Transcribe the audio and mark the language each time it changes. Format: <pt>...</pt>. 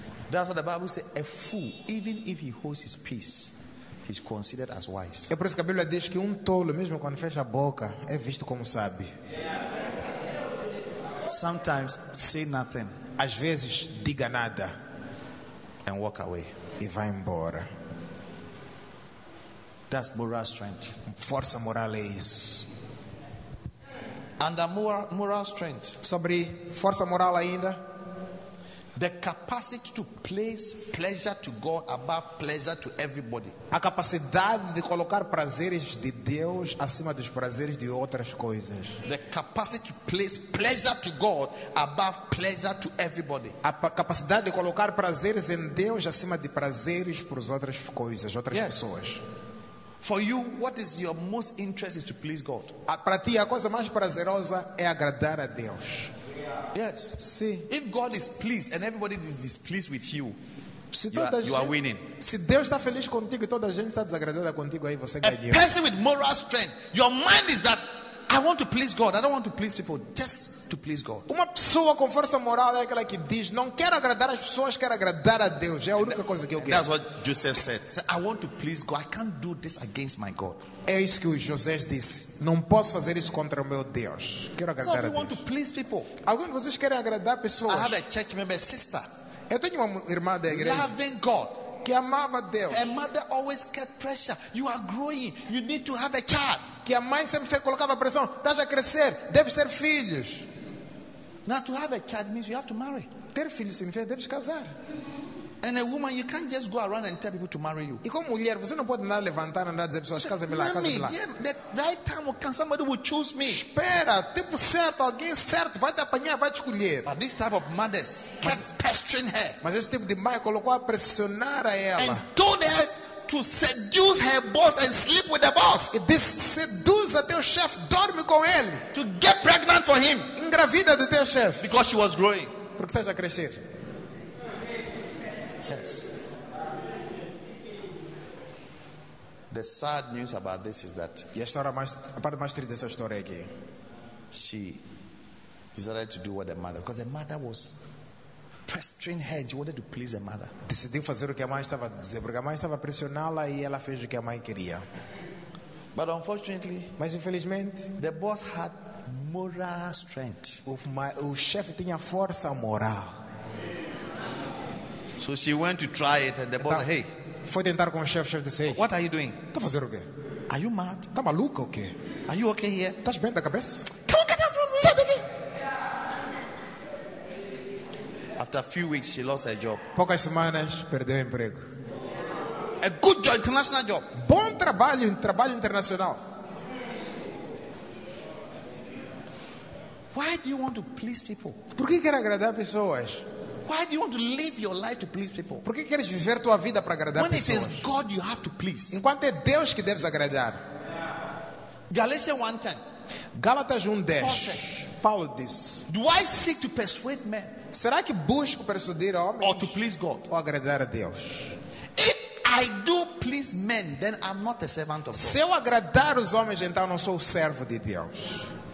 <en>That's what the Bible says. A fool, even if he holds his peace, he's considered as wise.</en> <pt>É por isso que a Bíblia diz que tolo, mesmo quando fecha a boca, é visto como sábio.</pt> <en>Sometimes say nothing.</en> <pt>Às vezes diga nada.</pt> <en>And walk away.</en> <pt>E vai embora.</pt> <en>That's moral strength.</en> <pt>Força moral é isso.</pt> <en>Under moral strength.</en> <pt>Sobre força moral ainda.</pt> <en>The capacity to place pleasure to God above pleasure to everybody.</en> <pt>A capacidade de colocar prazeres de Deus acima dos prazeres de outras coisas.</pt> <en>The capacity to place pleasure to God above pleasure to everybody.</en> <pt>A capacidade de colocar prazeres em Deus acima de prazeres para as outras coisas, outras</pt> <en>yes.</en> <pt>pessoas.</pt> <en>For you, what is your most interest is to please God.</en> <pt>Para ti a coisa mais prazerosa é agradar a Deus.</pt> <en>Yes. See. If God is pleased and everybody is displeased with you, you are winning.</en> <pt>Se Deus está feliz contigo e toda a gente está desagradada contigo, aí você ganhou.</pt> <en>A person with moral strength, your mind is that I want to please God. I don't want to please people, just to please God.</en> <pt>Uma pessoa com força moral é aquela que diz, não quero agradar as pessoas, quero agradar a Deus. É a única coisa que eu quero.</pt> <en>That's what Joseph said. He said, I want to please God. I can't do this against my God.</en> <pt>É isso que o José disse. Não posso fazer isso contra o meu Deus. Quero agradar</pt> <en>so</en> <pt>a Deus.</pt> <en>So want to please people.</en> <pt>Alguns de vocês querem agradar pessoas.</pt> <en>I had a church member sister.</en> <pt>Eu tenho uma irmã da igreja.</pt> <en>Loving God.</en> <pt>Que amava Deus.</pt> <en>A mother always kept pressure. You are growing. You need to have a child.</en> <pt>Que a mãe sempre colocava pressão. Estás a crescer. Deves ter filhos.</pt> <en>Now to have a child means you have to marry.</en> <pt>Ter filhos significa deves casar.</pt> <en>And a woman, you can't just go around and tell people to marry you.</en> <pt>E como mulher, você não pode nada levantar andar dizer pessoas casem-me lá, casem-me lá.</pt> <en>Yeah, the right time will come. Somebody will choose me.</en> <pt>Espera, tempo certo, alguém certo vai te apanhar, vai te escolher.</pt> <en>But this type of mothers kept pestering her.</en> <pt>Mas esse tipo de mãe colocou a pressionar a ela.</pt> <en>And told her to seduce her boss and sleep with the boss.</en> <pt>E diz, seduz até o chefe, dorme com ele.</pt> <en>To get pregnant for him.</en> <pt>Engravida do teu chefe.</pt> <en>Because she was growing.</en> <pt>Porque estás a crescer.</pt> <en>The sad news about this is that</en> <pt>a parte mais triste dessa história é que</pt> <en>she decided to do what the mother, because the mother was pressing her, she wanted to please the mother.</en> <pt>Decidiu fazer o que a mãe estava a dizer, porque a mãe estava a pressioná-la e ela fez o que a mãe queria.</pt> <en>But unfortunately,</en> <pt>mas infelizmente,</pt> <en>the boss had moral strength.</en> <pt>O chefe tinha força moral.</pt> <en>So she went to try it and the boss said, hey.</en> <pt>Foi tentar com o chefe disse, hey,</pt> <en>what are you doing?</en> <pt>Tá fazendo o quê?</pt> <en>Are you mad?</en> <pt>Tá maluca o quê?</pt> <en>Are you okay here?</en> <pt>Tá bem da cabeça?</pt> <en>Come on, get out from here.</en> <pt>Sai daqui.</pt> <en>After a few weeks she lost her job.</en> <pt>Poucas semanas perdeu o emprego.</pt> <en>A good job, international job.</en> <pt>Bom trabalho, trabalho internacional.</pt> <en>Why do you want to please people?</en> <pt>Por que quer agradar pessoas?</pt> <en>Why do you want to live your life to please people?</en> <pt>Por que queres viver tua vida para agradar</pt> <en>when</en> <pt>pessoas?</pt> <en>When it is God you have to please.</en> <pt>Enquanto é Deus que deves agradar.</pt> <en>Galatians 1:10.</en> <pt>Gálatas 1:10. Paulo diz,</pt> <en>do I seek to persuade men?</en> <pt>Será que busco persuadir homens?</pt> <en>Or to please God?</en> <pt>Ou agradar a Deus?</pt> <en>If I do please men, then I'm not a servant of God.</en> <pt>Se eu agradar os homens, então não sou servo de Deus.</pt>